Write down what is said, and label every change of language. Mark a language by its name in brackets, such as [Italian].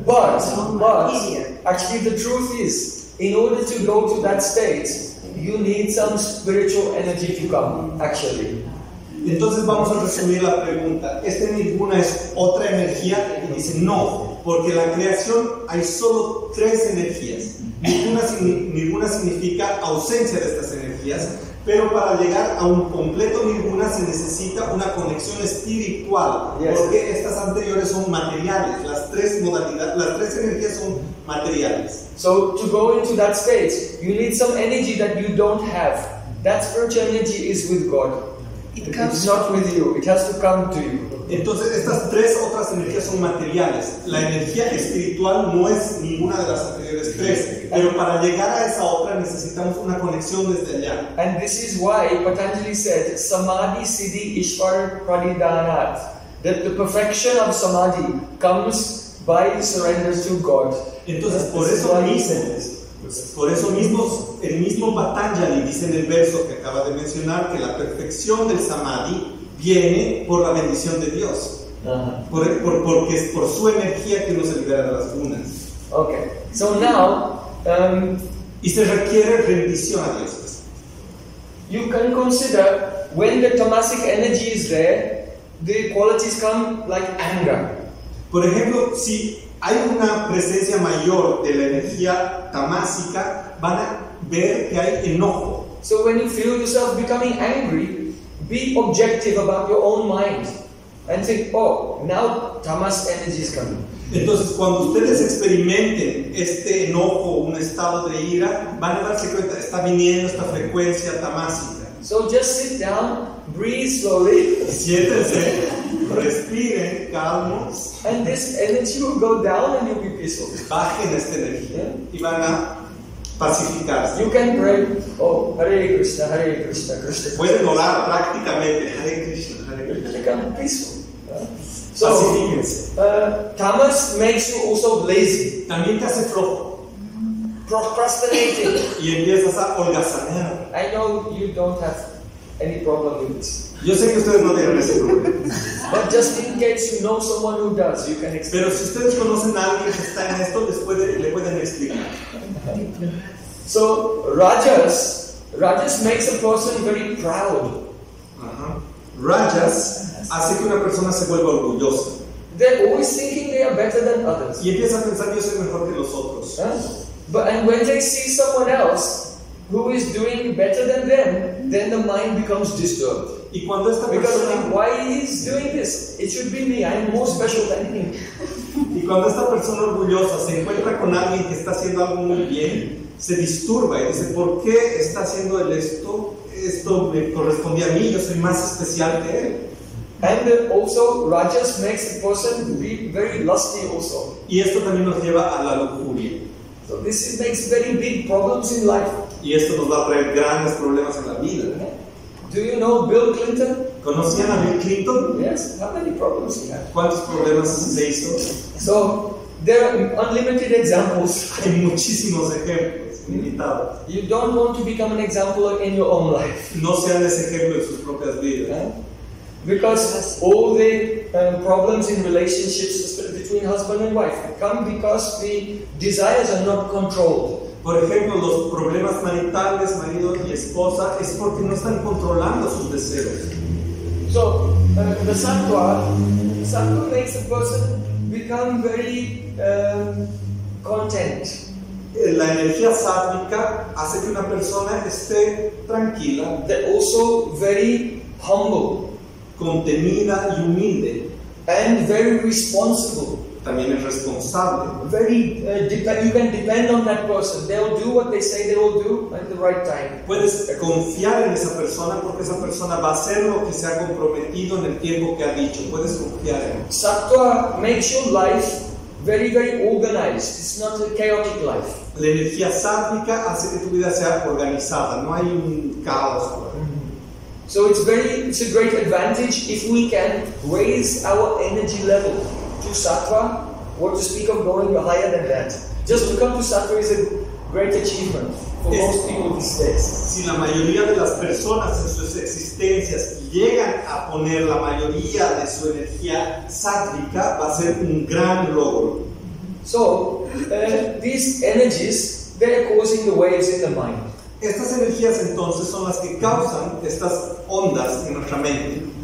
[English] But actually, the truth is, in order to go to that state, you need some spiritual energy to come, actually. [Spanish] Entonces vamos a resumir la pregunta. ¿Este nirguna es otra energía? Y dice no, porque la creación hay solo tres energías. Nirguna significa ausencia de estas energías, pero para llegar a un completo nirguna se necesita una conexión espiritual, porque estas anteriores son materiales. Las tres energías son materiales. [English] So to go into that state, you need some energy that you don't have. That spiritual energy is with God. It's not with you. It has to come to you. [Spanish] Entonces estas tres otras energías son materiales. La energía espiritual no es ninguna de las anteriores tres. Pero para llegar a esa otra necesitamos una conexión desde allá. [English] And this is why Patanjali said [Sanskrit] Samadhi Siddhi Ishvara Pradidhanat, [English] that the perfection of Samadhi comes by surrender to God. [Spanish] Entonces por eso dicen, por eso mismo el mismo Patanjali dice en el verso que acaba de mencionar que la perfección del Samadhi viene por la bendición de Dios. Porque es por su energía que uno se libera de las gunas. [English] Okay. So now [Spanish] y se requiere rendición a Dios. [English] You can consider when the tamasic energy is there, the qualities come like anger. [Spanish] Por ejemplo, si hay una presencia mayor de la energía tamásica, van a ver que hay enojo. [English] So when you feel yourself becoming angry, be objective about your own mind and think, oh, now tamas energy is coming. [Spanish] Entonces, cuando ustedes experimenten este enojo, un estado de ira, van a darse cuenta, está viniendo esta frecuencia tamásica. [English] So just sit down, breathe slowly. [Spanish] Siéntense. Respiren, calmos. [English] And this energy will go down and you'll be peaceful. [Spanish] Bajen esta energía y van a pacificarse. [English] You can pray, oh, Hare Krishna, Hare Krishna, Krishna Krishna. [Spanish] Pueden orar prácticamente, Hare Krishna, Hare Krishna. [English] Become peaceful. [Spanish] So, pacifíquense. [English] Tamas makes you also lazy. [Spanish] También te hace flojo. [English] Procrastinating. [Spanish] Y empiezas a holgazanear. [English] I know you don't have any problem with this. [Spanish] Yo sé que ustedes no tienen ese problema. [English] But just in case you know someone who does, you can explain. [Spanish] Pero si ustedes conocen a alguien que está en esto, le pueden explicar. [English] So, rajas makes a person very proud. [Spanish] Rajas hace que una persona se vuelva orgullosa. [English] They're always thinking they are better than others. [Spanish] Y empieza a pensar que yo soy mejor que los otros. [English] And when they see someone else who is doing better than them, then the mind becomes disturbed. [Spanish] Y cuando esta persona, [English] because like, why is doing this? It should be me. I'm more special than him. [Spanish] Y cuando esta persona orgullosa se encuentra con alguien que está haciendo algo muy bien, se disturba y dice, ¿por qué está haciendo esto? esto me corresponde a mí, yo soy más especial que él. [English] And also rajas makes a person be very lusty also. [Spanish] Y esto también nos lleva a la lujuria. [English] So this makes very big problems in life. [Spanish] Y esto nos va a traer grandes problemas en la vida. [English] Do you know Bill Clinton? [Spanish] ¿Conocían a Bill Clinton? [English] Yes, how many problems he had? [Spanish] ¿Cuántos problemas se hizo? [English] So there are unlimited examples. [Spanish] Hay muchísimos ejemplos limitados. [English] You don't want to become an example in your own life. [Spanish] No sean ese ejemplo en sus propias vidas. [English] Because all the problems in relationships between husband and wife come because the desires are not controlled. [Spanish] Por ejemplo, los problemas maritales, marido y esposa, es porque no están controlando sus deseos. [English] So, the sattva makes a person become very content. [Spanish] La energía sattvica hace que una persona esté tranquila. [English] They're also very humble. [Spanish] Contenida y humilde. [English] And very responsible. [Spanish] También es responsable. [English] Very, you can depend on that person. They'll do what they say they will do at the right time. [Spanish] Puedes confiar en esa persona porque esa persona va a hacer lo que se ha comprometido en el tiempo que ha dicho. Puedes confiar en. [English] Sattva makes your life very, very organized. It's not a chaotic life. [Spanish] La energía sattvica hace que tu vida sea organizada. No hay un caos. [English] So it's a great advantage if we can raise our energy level to sattva, or to speak of going higher than that. Just to come to sattva is a great achievement for most people these days. [Spanish] Si la mayoría de las personas en sus existencias llegan a poner la mayoría de su energía sattvica, va a ser un gran logro. [English] So these energies, they're causing the waves in the mind. [Spanish] Estas energías entonces son las que causan estas ondas en nuestra mente.